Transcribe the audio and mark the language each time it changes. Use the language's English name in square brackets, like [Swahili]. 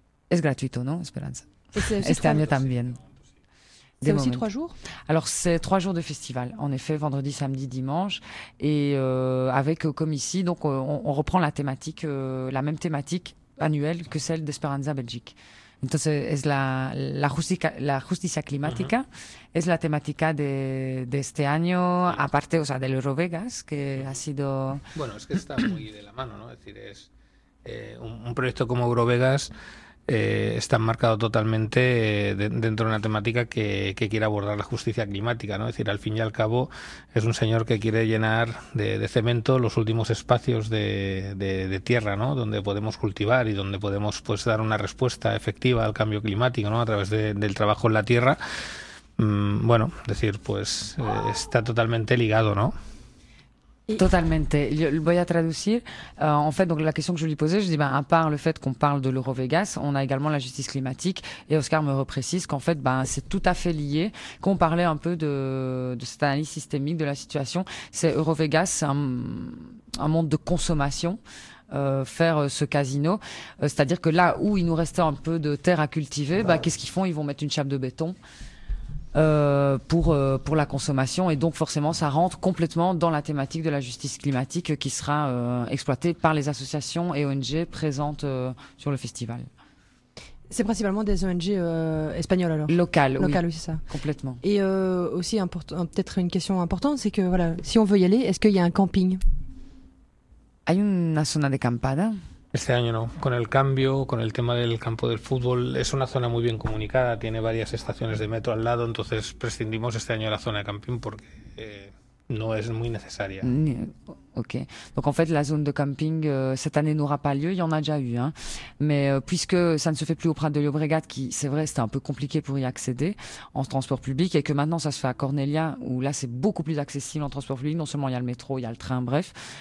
[Spanish] Es gratuito, non, Esperanza? Este año también. [French] C'est aussi 3 jours? Alors, c'est 3 jours de festival, en effet, vendredi, samedi, dimanche. Et avec, comme ici, donc, on reprend la thématique, la même thématique annuelle que celle d'Esperanza Belgique. [Spanish] Entonces es la justicia climática, uh-huh. Es la temática de este año, aparte, o sea, del Eurovegas, que ha sido... Bueno, es que está muy de la mano, ¿no? Es decir, es un proyecto como Eurovegas está enmarcado totalmente dentro de una temática que quiere abordar la justicia climática, ¿no? Es decir, al fin y al cabo es un señor que quiere llenar de cemento los últimos espacios de tierra, ¿no? Donde podemos cultivar y donde podemos pues dar una respuesta efectiva al cambio climático, ¿no? A través del trabajo en la tierra. Bueno, decir, pues está totalmente ligado, ¿no? [French] Totalement. Je vais traduire. En fait, donc la question que je lui posais, je dis, à part le fait qu'on parle de l'Eurovegas, on a également la justice climatique. Et Oscar me reprécise qu'en fait, c'est tout à fait lié. Quand on parlait un peu de cette analyse systémique de la situation, c'est Eurovegas, c'est un monde de consommation. Faire ce casino, c'est-à-dire que là où il nous restait un peu de terre à cultiver, qu'est-ce qu'ils font? Ils vont mettre une chape de béton. Pour la consommation, et donc forcément ça rentre complètement dans la thématique de la justice climatique qui sera exploitée par les associations et ONG présentes sur le festival. C'est principalement des ONG espagnoles alors ? Locales, oui, c'est ça. Complètement. Et aussi peut-être une question importante, c'est que voilà, si on veut y aller, est-ce qu'il y a un camping ? [Spanish] Hay una zona de campada ? Este año no, con el cambio, con el tema del campo del fútbol, es una zona muy bien comunicada, tiene varias estaciones de metro al lado, entonces prescindimos este año de la zona de camping porque no es muy necesaria. [French] Ok, donc en fait la zone de camping cette année n'aura pas lieu, il y en a déjà eu, hein. Mais puisque ça ne se fait plus au Prat de Llobregat, qui c'est vrai c'était un peu compliqué pour y accéder en transport public, et que maintenant ça se fait à Cornelia, où là c'est beaucoup plus accessible en transport public, non seulement il y a le métro, il y a le train, bref.